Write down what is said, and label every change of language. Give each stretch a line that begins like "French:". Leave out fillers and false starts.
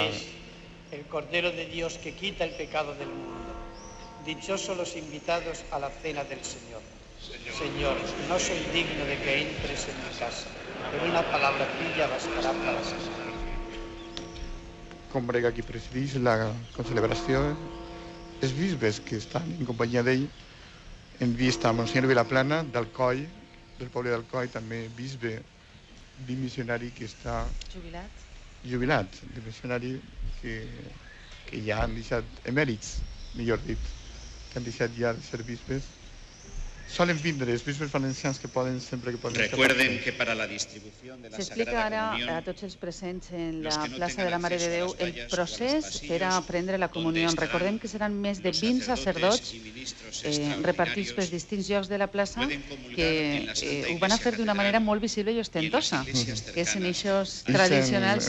Spanish: Este es el Cordero de Dios que quita el pecado del mundo. Dichosos los invitados a la cena del Señor. Señor, no soy digno de que entres en mi casa, pero una palabra tuya bastará para sanar.
Catalan: Convergarà qui presidís la concelebració. Els bisbes que estan en companyia d'ell, en vista a Monsenyor Vilaplana, d'Alcoi, del poble d'Alcoi, també bisbe dimissionari que està... Jubilat. Dimissionari que ja han deixat emèrits, millor dit, que han deixat ja de ser bisbes. Solen vindre els bisbes valencians que poden, sempre que poden...
Spanish: Recuerden que para la distribución de la Sagrada Comunión...
Catalan: S'explica ara a tots els presents en la plaça de la Mare de Déu el procés per a prendre la comunió. Recordem que seran més de 20 sacerdots repartits pels distints llocs de la plaça que ho van a fer d'una manera molt visible i ostentosa, que és en eixos tradicionals...